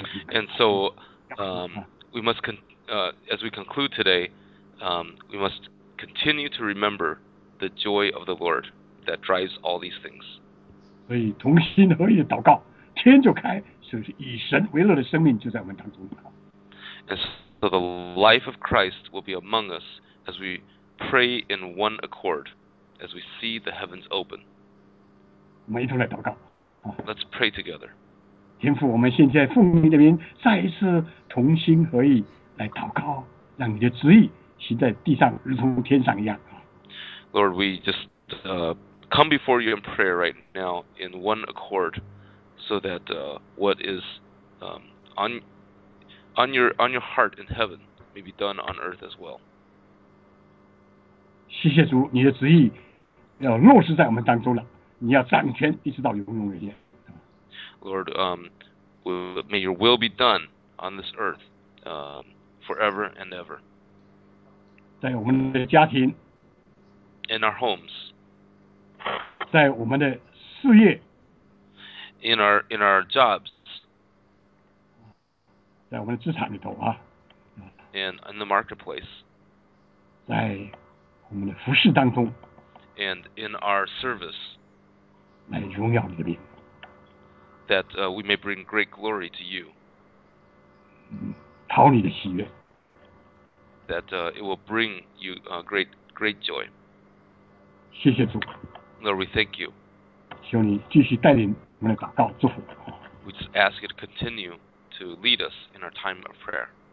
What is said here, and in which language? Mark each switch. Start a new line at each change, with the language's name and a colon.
English: And so, as we conclude today, we must continue to remember the joy of the Lord that drives all these things.
Chinese: 所以同心合意的祷告，天就开，就是以神为乐的生命就在我们当中。
English: And so the life of Christ will be among us as we pray in one accord, as we see the heavens open.
Chinese: 我们一同来祷告。
English: Let's pray together.
Chinese: 天父，我们现在奉你的名，再一次同心合意来祷告，让你的旨意行在地上，如同天上一样。
English: Lord, we just come before you in prayer right now in one accord, so that what is on your heart in heaven may be done on earth as well.
Chinese: 谢谢主，你的旨意要落实在我们当中了，你要掌权，一直到永永远远。
English: Lord, may your will be done on this earth, forever and ever.
Chinese: 在我们的家庭
English: In our homes.
Chinese: 在我们的事业
English: In our jobs.
Chinese: 在我们的职场里头啊
English: In the marketplace.
Chinese: 在我们的服事当中
English: And in our service.
Chinese: 来荣耀你的名
English: That we may bring great glory to you.
Chinese: 讨你的喜悦。
English: That it will bring you great joy.
Chinese: 谢谢主。
English: Lord, we thank you.
Chinese: 希望你继续带领我们的祷告祝福。
English: We just ask you to continue to lead us in our time of prayer.